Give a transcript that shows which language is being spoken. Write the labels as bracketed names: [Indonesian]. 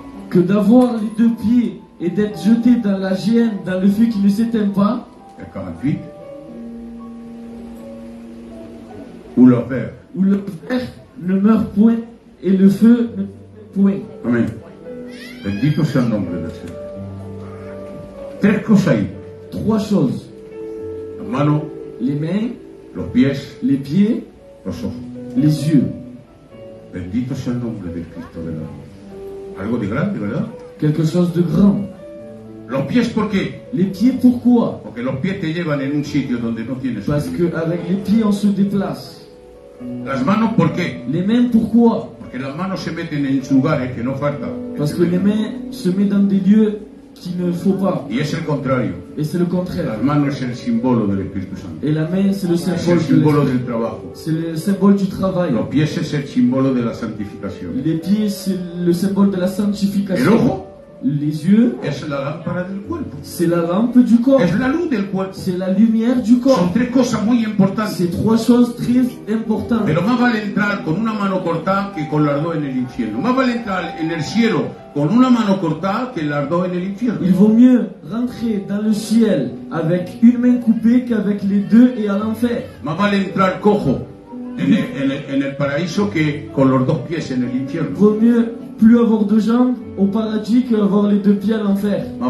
[French] Que d'avoir les deux pieds et d'être jeté dans la géhenne, dans le feu qui ne s'éteint pas. Et 48. Ou le verre. Où le verre ne meurt point et le feu ne meurt point. Amen. [Spanish] Bendito sea el nombre de Dios. Tres cosas ahí. [French] Trois choses. [Spanish] La mano. [French] Les mains. [Spanish] Los pies. [French] Les pieds. [Spanish] Los ojos. [French] Les yeux. [Spanish] Bendito sea el nombre del Cristo de la gloria. Algo de grande, ¿verdad? [French] Quelque chose de grand. [Spanish] Los pies, ¿por qué? [French] Les pieds, pourquoi? [Spanish] Porque los pies te llevan en un sitio donde no tienes. [French] Parce que avec les pieds on se déplace. [Spanish] Las manos, ¿por qué? [French] Les mains, pourquoi? [Spanish] Porque las manos se meten en lugares que no faltan. [French] Parce que les mains se mettent dans des lieux qui ne faut pas. [Spanish] Y es el contrario. [French] Et c'est le contraire. [Spanish] Las manos es el símbolo del Espíritu Santo. [French] Et la main c'est le symbole. [Spanish] Es el símbolo del trabajo. [French] C'est le symbole du travail. [Spanish] Los pies es el símbolo de la santificación. [French] Les pieds c'est le symbole de la sanctification. [Spanish] El ojo. [French] Les yeux. [Spanish] Es la lámpara del cuerpo. [French] C'est la lampe du corps. [Spanish] Es la luz del cuerpo. [French] C'est la lumière du corps. [Spanish] Son tres cosas muy importantes. [French] C'est trois choses très importantes. [Spanish] Pero más vale entrar con una mano cortada que con las dos en el infierno. Más vale entrar en el cielo con una mano cortada que las dos en el infierno. [French] Il vaut mieux rentrer dans le ciel avec une main coupée qu'avec les deux et à l'enfer. [Spanish] Más vale entrar cojo en el paraíso que con los dos pies en el infierno. [French] Vaut mieux plus avoir deux jambes au paradis que avoir les deux pieds à l'enfer.